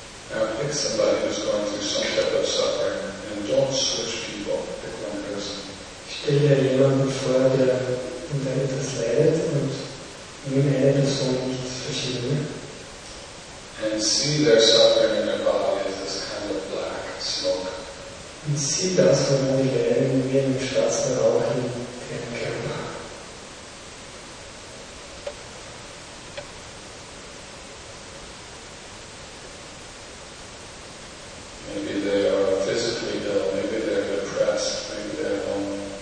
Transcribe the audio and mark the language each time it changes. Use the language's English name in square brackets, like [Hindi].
[English] Now pick somebody who's going through some type of suffering and don't switch people. Pick one person. [German] Stell dir jemanden vor, der in deinem Herz leidet und nimm eine Person nicht verschieden. [English] And see their suffering in their body as this kind of black smoke. [German] Und sieh das von deinen Leiden wie einen schwarzen Rauch in deinem Körper. [English] Maybe they are physically ill, maybe they're depressed, maybe they're lonely.